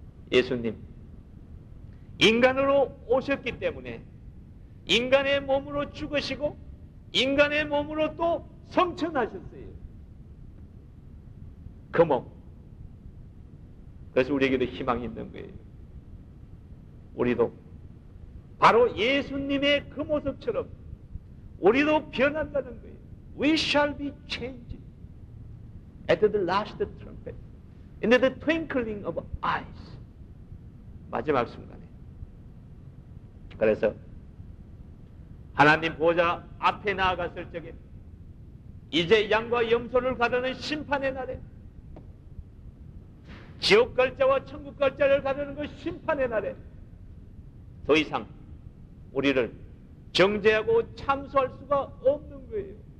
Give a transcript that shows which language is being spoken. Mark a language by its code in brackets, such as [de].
[ko] 예수님 인간으로 오셨기 때문에 인간의 몸으로 죽으시고 인간의 몸으로 또 성천하셨어요. 그 몸 그래서 우리에게도 희망이 있는 거예요. 우리도 바로 예수님의 그 모습처럼 우리도 변한다는 거예요. [en] We shall be changed at the last trumpet in the twinkling of eyes [ko] 마지막 순간에 그래서 하나님 보좌 앞에 나아갔을 적에 이제 양과 염소를 가르는 심판의 날에 지옥 갈자와 천국 갈자를 가르는 그 심판의 날에 더 이상 우리를 정죄하고 참소할 수가 없는 거예요.